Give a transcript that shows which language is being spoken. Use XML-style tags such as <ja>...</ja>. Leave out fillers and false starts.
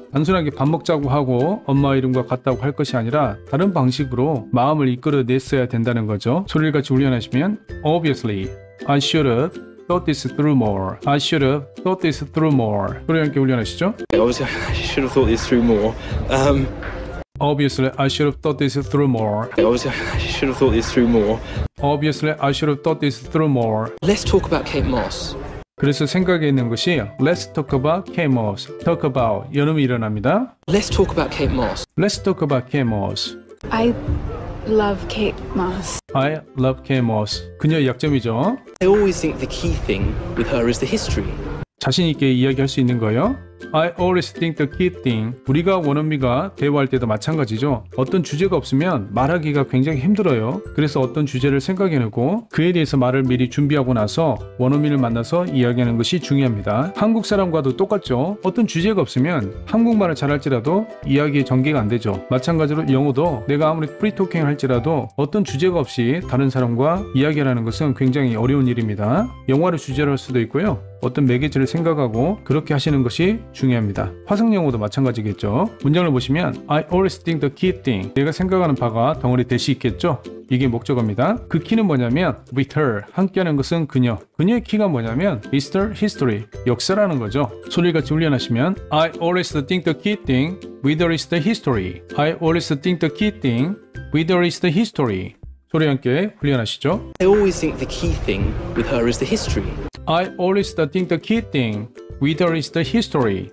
<ko>단순하게 밥 먹자고 하고 엄마 이름과 같다고 할 것이 아니라 다른 방식으로 마음을 이끌어 냈어야 된다는 거죠. 소리를 같이 훈련하시면</ko> <en>Obviously, I should have thought this through more. I should have thought this through more.</en> <ko>소리 함께 훈련하시죠.</ko> <en>Obviously, I should have thought this through more. Obviously, I should have thought this through more. Obviously, I should have thought this through more. Obviously, I should have thought this through more. Let's talk about Kate Moss.</en> <ko>그래서 생각에 있는 것이</ko> <en>Let's talk about Kate Moss. Talk about</en> <ko>연음이 일어납니다.</ko> <en>Let's talk about Kate Moss. Let's talk about Kate Moss. I love Kate Moss. I love Kate Moss.</en> <ko>그녀의 약점이죠.</ko> <en>I always think the key thing with her is the history.</en> <ko>자신 있게 이야기할 수 있는 거예요.</ko> <en>I always think the key thing.</en> <ko>우리가 원어민과 대화할 때도 마찬가지죠. 어떤 주제가 없으면 말하기가 굉장히 힘들어요. 그래서 어떤 주제를 생각해내고 그에 대해서 말을 미리 준비하고 나서 원어민을 만나서 이야기하는 것이 중요합니다. 한국 사람과도 똑같죠. 어떤 주제가 없으면 한국말을 잘할지라도 이야기의 전개가 안 되죠. 마찬가지로 영어도 내가 아무리 프리토킹 할지라도 어떤 주제가 없이 다른 사람과 이야기하는 것은 굉장히 어려운 일입니다. 영화를 주제로 할 수도 있고요. 어떤 매개체를 생각하고 그렇게 하시는 것이 중요합니다. 화성 영어도 마찬가지겠죠. 문장을 보시면</ko> <en>I always think the key thing.</en> <ko>내가 생각하는 바가 덩어리 대시 있겠죠. 이게 목적어입니다. 그 키는 뭐냐면</ko> <en>with her.</en> <ko>함께하는 것은 그녀. 그녀의 키가 뭐냐면 Mr. History. 역사라는 거죠.</ko> <en>소리 같이 훈련하시면 I always think the key thing with her is the history. I always think the key thing with her is the history.</en> <ko>소리 함께 훈련하시죠.</ko> <en>I always think the key thing with her is the history. I always think the key thing with her is the history.</en>